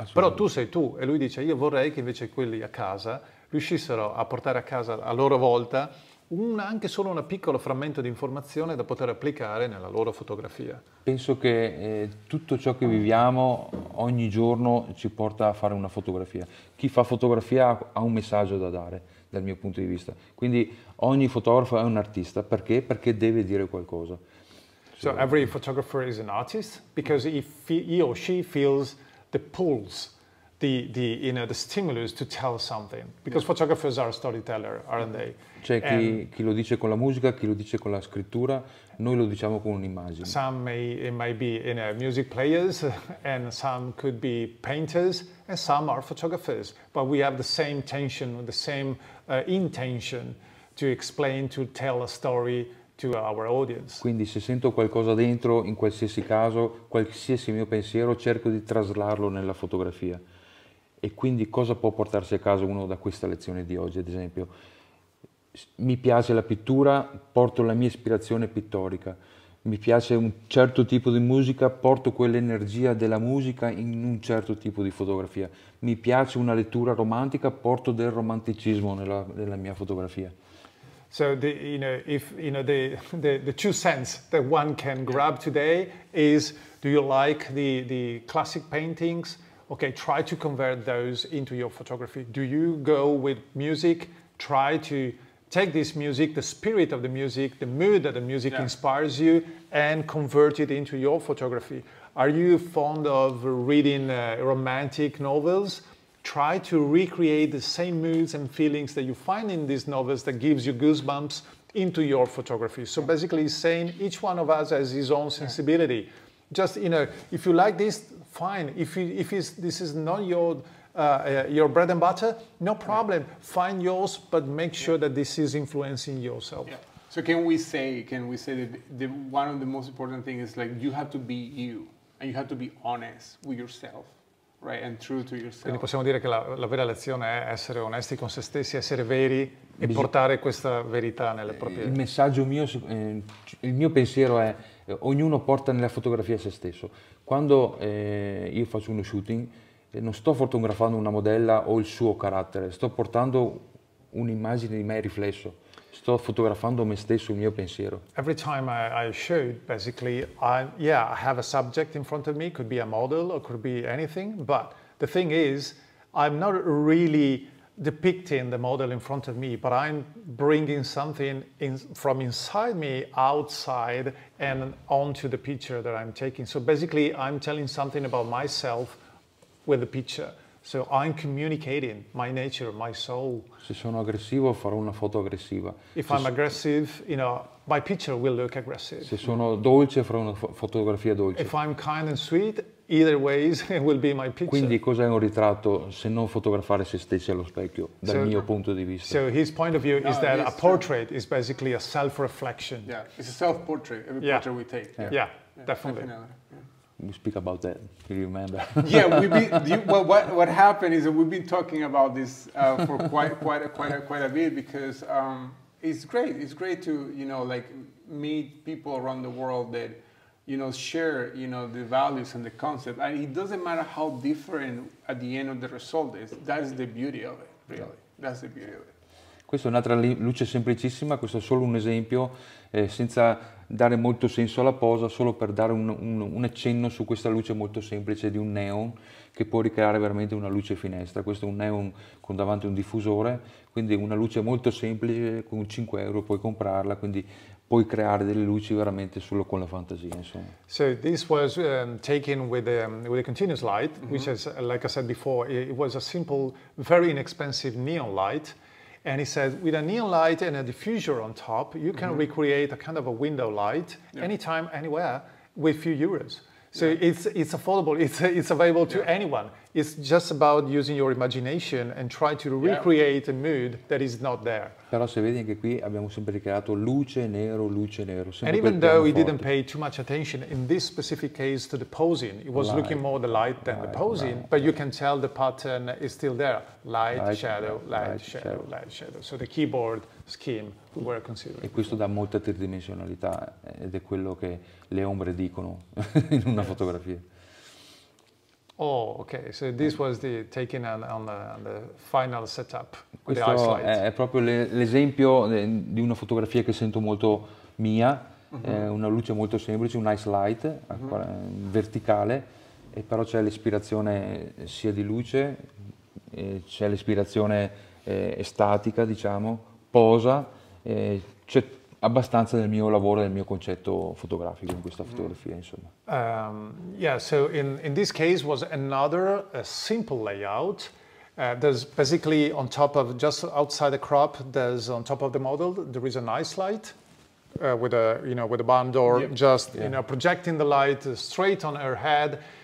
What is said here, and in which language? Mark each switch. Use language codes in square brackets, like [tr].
[it] Però tu sei tu, e lui dice io vorrei che invece quelli a casa riuscissero a portare a casa a loro volta anche solo un piccolo frammento di informazione da poter applicare nella loro fotografia. Penso che tutto ciò che viviamo ogni giorno ci porta a fare una fotografia. Chi fa fotografia ha un messaggio da dare, dal mio punto di vista. Quindi ogni fotografo è un artista. Perché? Perché deve dire qualcosa. [en] So every photographer is an artist because he or she feels the pulls, the you know, the stimulus to tell something. Because photographers are a storyteller, aren't they? C'è chi lo dice con la musica, chi lo dice con la scrittura, noi lo diciamo con un'immagine. Some may be in a music players, and some could be painters, and some are photographers. But we have the same tension, the same intention to explain, to tell a story to our audience. [it] Quindi se sento qualcosa dentro, in qualsiasi caso, qualsiasi mio pensiero, cerco di traslarlo nella fotografia. E quindi cosa può portarsi a casa uno da questa lezione di oggi, ad esempio? Mi piace la pittura, porto la mia ispirazione pittorica. Mi piace un certo tipo di musica, porto quell'energia della musica in un certo tipo di fotografia. Mi piace una lettura romantica, porto del romanticismo nella mia fotografia. [en] So the, you know, if you know the two cents that one can grab today is, do you like the classic paintings? Okay, try to convert those into your photography. Do you go with music? Try to take this music, the spirit of the music, the mood that the music inspires you, and convert it into your photography. Are you fond of reading romantic novels? Try to recreate the same moods and feelings that you find in these novels that gives you goosebumps into your photography. So basically saying each one of us has his own sensibility. Just, you know, if you like this, fine. If this is not your bread and butter, no problem. Find yours, but make sure that this is influencing yourself. Yeah. So can we say that the one of the most important things is, like, you have to be you, and you have to be honest with yourself. Right, and true to yourself. [it] Quindi possiamo dire che la vera lezione è essere onesti con se stessi, essere veri e portare questa verità nelle proprie... Il messaggio mio, il mio pensiero è ognuno porta nella fotografia se stesso. Quando io faccio uno shooting, non sto fotografando una modella o il suo carattere, sto portando un'immagine di me riflesso. Sto fotografando me stesso, il mio pensiero. [en] Every time I shoot, basically, I have a subject in front of me, could be a model or could be anything, but the thing is, I'm not really depicting the model in front of me, but I'm bringing something from inside me outside and onto the picture that I'm taking. So basically, I'm telling something about myself with the picture. So I'm communicating my nature, my soul. [it] Se sono aggressivo, farò una foto aggressiva. [en] If I'm aggressive, you know, my picture will look aggressive. [it] Se sono dolce, farò una fotografia dolce. [en] If I'm kind and sweet, either ways, it will be my picture. [it] Quindi cos'è un ritratto se non fotografare se stessi allo specchio, dal mio punto di vista? [en] So his point of view is that a portrait is basically a self-reflection. Yeah, it's a self-portrait, every portrait we take. Yeah, definitely. We speak about that. Do you remember? Yeah, what happened is that we've been talking about this for quite a bit, because it's great. It's great to, you know, like, meet people around the world that, you know, share, you know, the values and the concept. And it doesn't matter how different at the end of the result is. That's the beauty of it, really. That's the beauty of it. [it] Questa è un'altra luce semplicissima, questo è solo un esempio, senza dare molto senso alla posa, solo per dare un accenno su questa luce molto semplice di un neon che può ricreare veramente una luce finestra. Questo è un neon con davanti un diffusore, quindi una luce molto semplice, con 5 euro puoi comprarla, quindi puoi creare delle luci veramente solo con la fantasia, insomma. [en] So this was taken with a continuous light, mm-hmm. which is, like I said before, it was a simple, very inexpensive neon light. And he said, with a neon light and a diffuser on top, you can mm-hmm. recreate a kind of a window light yeah. anytime, anywhere, with few euros. So yeah. it's affordable, it's available to yeah. anyone. It's just about using your imagination and try to recreate yeah. a mood that is not there. [it] Però se vedi anche qui abbiamo sempre creato luce nero, sempre. [en] And even though he didn't pay too much attention in this specific case to the posing, he was looking more the light than the posing, but you can tell the pattern is still there. Light, shadow. So the keyboard scheme we were considering. [it] E questo dà molta tridimensionalità ed è quello che le ombre dicono in una fotografia. [en] Oh, okay. So this was the taking on the final setup. [it] Questo [en] with the [it] è proprio l'esempio di una fotografia che sento molto mia. Mm-hmm. È una luce molto semplice, un ice light mm-hmm. verticale, e però c'è l'ispirazione sia di luce, c'è l'ispirazione statica, diciamo, posa. C'è abbastanza del mio lavoro, del mio concetto fotografico in questa fotografia, insomma. [en] So in this case was another simple layout. There's basically on top of, just outside the crop, there's on top of the model, there is a nice light with a barn door, projecting the light straight on her head.